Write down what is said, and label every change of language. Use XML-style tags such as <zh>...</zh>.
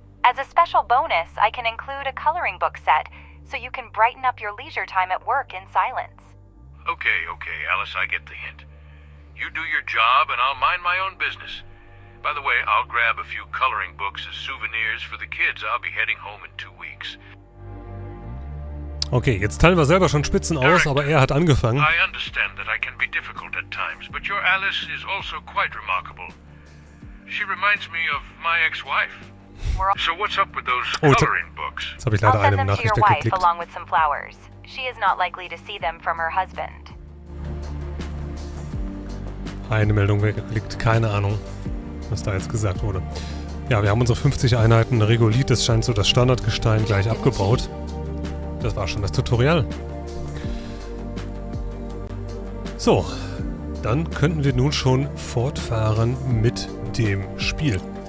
<en>As a special bonus, I can include a coloring book set, so you can brighten up your leisure time at work in silence. Okay, okay, Alice, I get the hint. You do your job and I'll mind my own business. By the way, I'll grab a few coloring books as souvenirs for the kids. I'll be heading home in 2 weeks.</en> <de>Okay, jetzt teilen wir selber schon Spitzen aus, aber er hat angefangen.</de> <en>I understand that I can be difficult at times, but your Alice is also quite remarkable. She reminds me of my ex-wife. So what's up with those coloring books?</en> <de>Jetzt habe ich leider eine Nachricht geklickt.</de> <en>Along with some flowers. She is not likely to see them from her husband.</en> <de>Eine Meldung geklickt, keine Ahnung, was da jetzt gesagt wurde. Ja, wir haben unsere 50 Einheiten Regolith, das scheint so das Standardgestein, gleich abgebaut. Das war schon das Tutorial. So, dann könnten wir nun schon fortfahren mit dem Spiel.</de>